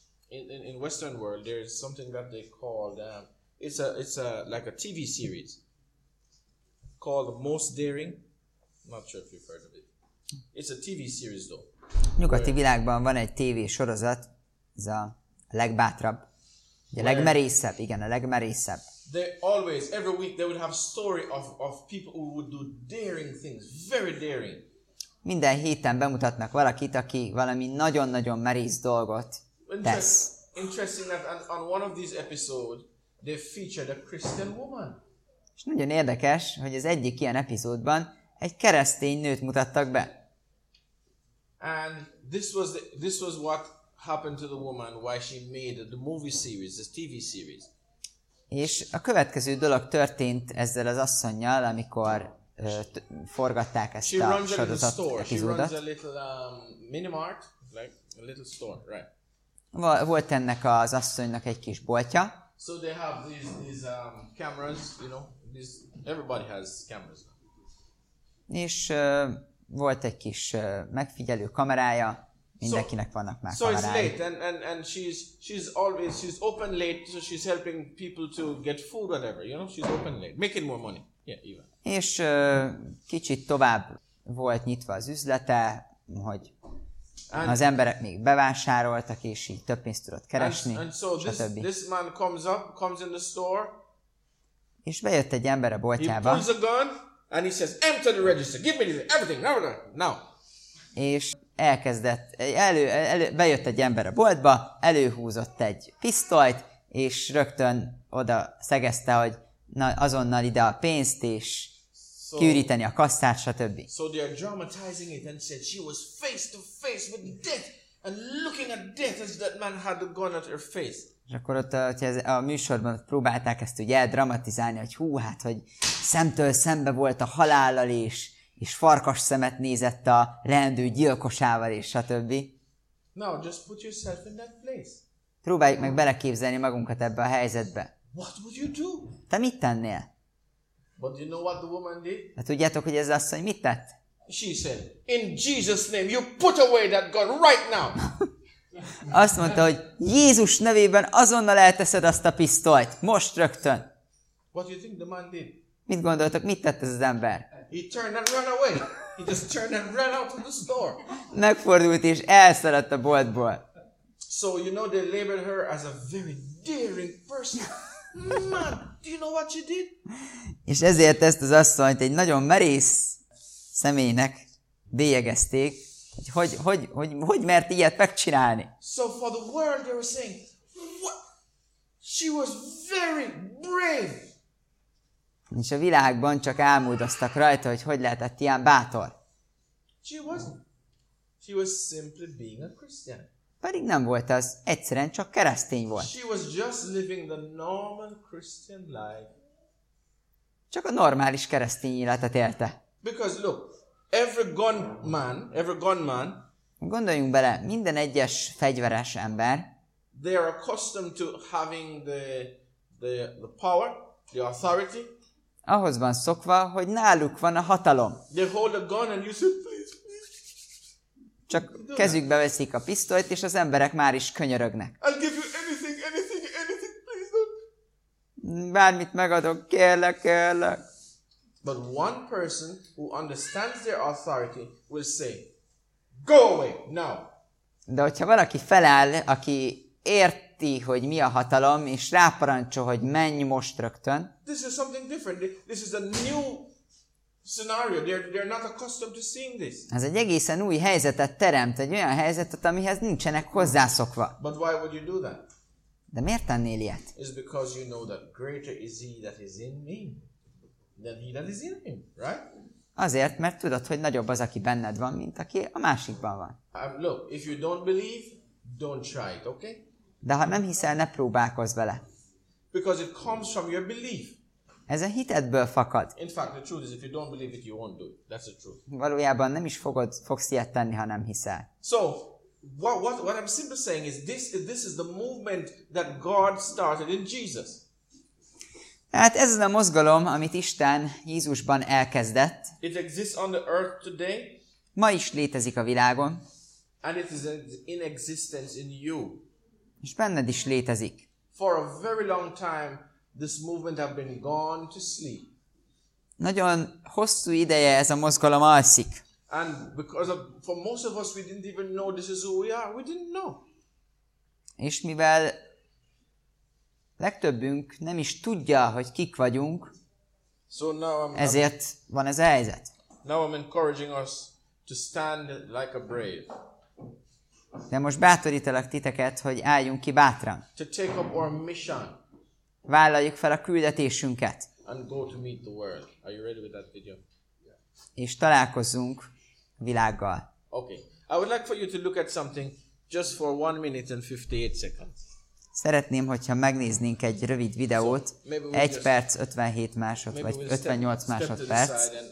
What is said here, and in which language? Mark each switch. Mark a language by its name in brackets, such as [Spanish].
[English] In Western world there is something that they call it's like a TV series called Most Daring. I'm not sure if you've heard of it. It's a TV series though. [Hungarian] Nyugati világban van egy TV sorozat, ez a legbátrabb, a legmerészebb, igen, a legmerészebb. [English] They always, every week, they would have story of people who would do daring things, very daring. [Hungarian] Minden héten bemutatnak valakit, aki valami nagyon-nagyon merész dolgot tesz. [English] Interesting that on one of these episodes, they featured a Christian woman. [Hungarian] És nagyon érdekes, hogy az egyik ilyen epizódban egy keresztény nőt mutattak be. [English] And this was what happened to the woman, why she made the movie series, the TV series. [Hungarian] És a következő dolog történt ezzel az asszonnyal, amikor forgatták ezt [English] she [Hungarian] a sorozat epizódot. [English] She runs a little minimart, like a little store, right. [Hungarian] Volt ennek az asszonynak egy kis boltja. [English] So they have these cameras, you know, everybody has cameras. [Hungarian] És volt egy kis megfigyelő kamerája. Mindenkinek vannak már kamerái. [English] So it's late and she's open late, so she's helping people to get food, whatever, you know, she's open late, making more money. Yeah, even. [Hungarian] És kicsit tovább volt nyitva az üzlete, hogy and az emberek még bevásároltak, és így több pénzt tudott keresni, [English] stb. And so this man comes in the store. [Hungarian] És bejött egy ember a boltjába. [English] He pulls a gun and he says, "Empty the register. Give me everything. Now." [Hungarian] És elkezdett, bejött egy ember a boltba, előhúzott egy pisztolyt, és rögtön oda szegezte, hogy azonnal ide a pénzt, és kiüríteni a kasszát, stb. [English] So they are dramatizing it and said she was face to face with death and looking at death as that man had the gun at her face. [Hungarian] És akkor ott a műsorban próbálták ezt ugye eldramatizálni, hogy hú, hát, hogy szemtől szembe volt a halállal, és farkas szemet nézett a leendő gyilkosával, és stb. [English] Now, just put yourself in that place. [Hungarian] Próbáljuk meg beleképzelni magunkat ebbe a helyzetbe. [English] What would you do? [Hungarian] Te mit tennél? [English] But you know what the woman did? [Hungarian] De tudjátok, hogy ez asszony mit tett? [English] She said, in Jesus' name, you put away that gun right now! [Hungarian] Azt mondta, hogy Jézus nevében azonnal elteszed azt a pisztolyt, most rögtön. [English] What do you think the man did? [Hungarian] Mit gondoltok, mit tett ez az ember? [English] He turned and ran away. He just turned and ran out of the store. [Hungarian] Megfordult és elszaladt a boltból. [English] So you know they labeled her as a very daring person. Man, do you know what she did? [Hungarian] És ezért ezt az asszonyt egy nagyon merész személynek bélyegezték, hogy hogy mert ilyet megcsinálni. [English] So for the world they were saying, what? She was very brave. [Hungarian] És a világban csak álmodoztak rajta, hogy hogy lehetett ilyen bátor. [English] She wasn't. She was simply being a Christian. [Hungarian] Pedig nem volt az, egyszerűen csak keresztény volt. [English] She was just living the normal Christian life. [Hungarian] Csak a normális keresztény életet élte. [English] Because look, every gunman, [Hungarian] gondoljunk bele, minden egyes fegyveres ember, [English] they are accustomed to having the power, the authority. [Hungarian] Ahhoz van szokva, hogy náluk van a hatalom. [English] They hold a gun and you say, please. [Hungarian] Csak kezükbe veszik a pisztolyt, és az emberek már is könyörögnek. [English] I'll give you anything, please don't. [Hungarian] Bármit megadok, kérlek. [English] But one person who understands their authority will say, go away, now. [Hungarian] De hogyha valaki feláll, aki érti, hogy mi a hatalom, és ráparancsol, hogy menj most rögtön. [English] This is something different. This is a new scenario. They're not accustomed to seeing this. [Hungarian] Ez egy egészen új helyzetet teremt, egy olyan helyzetet, amihez nincsenek hozzászokva. [English] But why would you do that? [Hungarian] De miért tennél ilyet? [English] It's because you know that greater is he that is in me. than he that is in him, right? [Hungarian] Azért, mert tudod, hogy nagyobb az, aki benned van, mint aki a másikban van. [English] Look, if you don't believe, don't try it, okay? [Hungarian] De ha nem hiszel, ne próbálkozz vele. [English] Because it comes from your belief. [Hungarian] Ez a hitedből fakad. [English] In fact, the truth is, if you don't believe it, you won't do it. That's the truth. [Hungarian] Valójában nem is fogsz ilyet tenni, ha nem hiszel. [English] So, what I'm simply saying is, this is the movement that God started in Jesus. [Hungarian] Hát ez az a mozgalom, amit Isten Jézusban elkezdett. [English] It exists on the earth today. [Hungarian] Ma is létezik a világon. [English] And it is in existence in you. [Hungarian] És benned is létezik. [English] For a very long time, this movement has been gone to sleep. [Hungarian] Nagyon hosszú ideje ez a mozgalom alszik. [English] And because for most of us, we didn't even know this is who we are. We didn't know. [Hungarian] És mivel legtöbbünk nem is tudja, hogy kik vagyunk, [English] so now [Hungarian] ezért van ez a helyzet. [English] Now I'm encouraging us to stand like a brave. [Hungarian] De most bátorítalak titeket, hogy álljunk ki bátran. [English] To take up our mission. [Hungarian] Vállaljuk fel a küldetésünket. [English] And go to meet the world. Are you ready with that video? Yeah. [Hungarian] És találkozzunk világgal. [English] Okay. I would like for you to look at something just for 1 minute and 58 seconds. [Hungarian] Szeretném, hogyha megnéznénk egy rövid videót, [English] so maybe we'll [Hungarian] 1 perc 57 másod, vagy 58 másodperc.